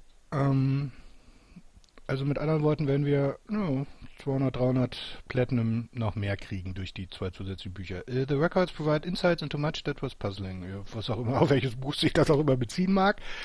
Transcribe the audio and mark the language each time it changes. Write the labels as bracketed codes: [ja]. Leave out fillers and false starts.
[de] Also mit anderen Worten werden wir 200, 300 Platinum noch mehr kriegen durch die zwei zusätzlichen Bücher. [en] The records provide insights into much that was puzzling. [de] Ja, was auch immer, auf welches Buch sich das auch immer beziehen mag.